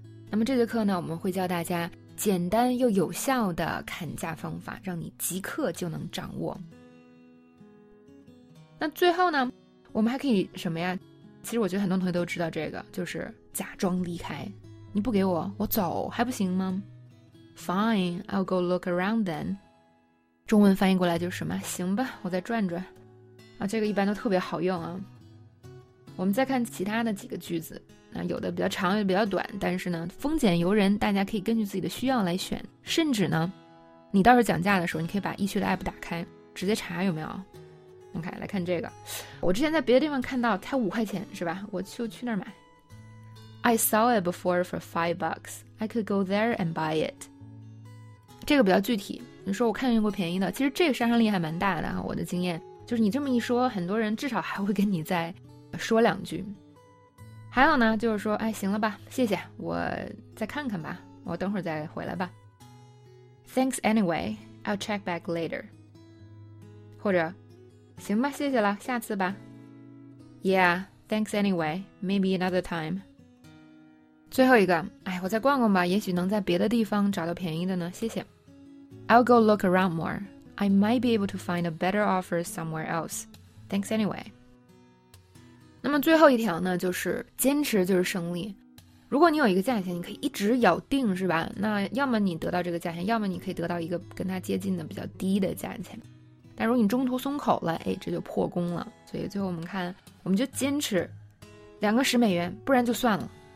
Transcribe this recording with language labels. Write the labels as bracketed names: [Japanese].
[Chinese] 那么这节课呢，我们会教大家简单又有效的砍价方法，让你即刻就能掌握。那最后呢，我们还可以什么呀？其实我觉得很多同学都知道这个，就是假装离开。你不给我，我走还不行吗？ [English] Fine, I'll go look around then. [Chinese] 中文翻译过来就是什么，行吧，我再转转啊，这个一般都特别好用啊。我们再看其他的几个句子，那有的比较长，有的比较短，但是呢风俭由人，大家可以根据自己的需要来选。甚至呢，你到时候讲价的时候，你可以把易趣的 APP 打开，直接查有没有。 OK， 来看这个，我之前在别的地方看到才5块钱是吧，我就去那儿买。 [English] I saw it before for $5, I could go there and buy it。 [Chinese] 这个比较具体，你说我看见过便宜的，其实这个杀伤力还蛮大的啊。我的经验就是，你这么一说，很多人至少还会跟你再说两句。还有呢，就是说，哎，行了吧，谢谢，我再看看吧，我等会儿再回来吧。 [English] Thanks anyway, I'll check back later. [Chinese] 或者，行吧，谢谢了，下次吧。 [English] Yeah, thanks anyway, maybe another time. [Chinese] 最后一个，哎，我再逛逛吧，也许能在别的地方找到便宜的呢，谢谢。 [English] I'll go look around more. I might be able to find a better offer somewhere else. Thanks anyway. [Chinese] 那么最后一条呢，就是坚持就是胜利。如果你有一个价钱，你可以一直咬定是吧，那要么你得到这个价钱，要么你可以得到一个跟它接近的比较低的价钱。但如果你中途松口了，哎，这就破功了。所以最后我们看，我们就坚持$2，不然就算了。